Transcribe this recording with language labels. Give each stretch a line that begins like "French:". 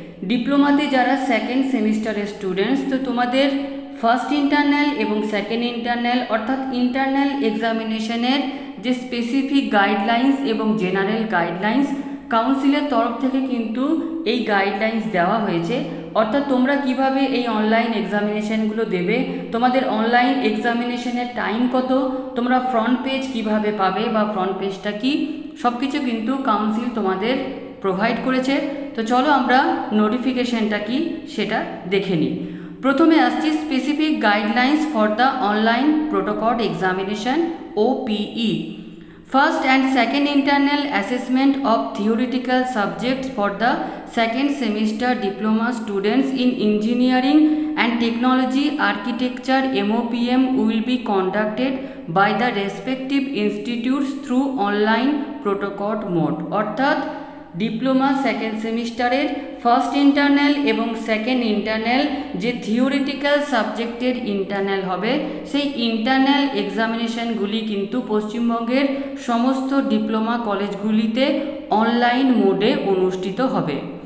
Bangla: ডিপ্লোমাতে যারা সেকেন্ড সেমিস্টারের স্টুডেন্টস, তো তোমাদের ফার্স্ট ইন্টারনাল এবং সেকেন্ড ইন্টারনাল অর্থাৎ ইন্টারনাল এক্সামিনেশনের যে স্পেসিফিক গাইডলাইন্স এবং জেনারেল গাইডলাইন্স কাউন্সিলের তরফ থেকে কিন্তু এই গাইডলাইন্স দেওয়া হয়েছে, অর্থাৎ তোমরা কিভাবে এই অনলাইন এক্সামিনেশানগুলো দেবে, তোমাদের অনলাইন এক্সামিনেশানের টাইম কত, তোমরা ফ্রন্ট পেজ কিভাবে পাবে বা ফ্রন্ট পেজটা কী, সব কিছু কিন্তু কাউন্সিল তোমাদের প্রোভাইড করেছে। তো চলো আমরা নোটিফিকেশানটা কী সেটা দেখে নিই। প্রথমে আসছি
English: Specific guidelines for the online protocol examination OPE. First and second internal assessment of theoretical subjects for the second semester diploma students in engineering and technology architecture MOPM will be conducted by the respective institutes through online protocol mode.
Bangla: অর্থাৎ diploma second সেমিস্টারের first internal এবং second internal যে theoretical সাবজেক্টের internal হবে, সেই internal এক্সামিনেশানগুলি কিন্তু পশ্চিমবঙ্গের সমস্ত ডিপ্লোমা কলেজগুলিতে অনলাইন মোডে অনুষ্ঠিত হবে।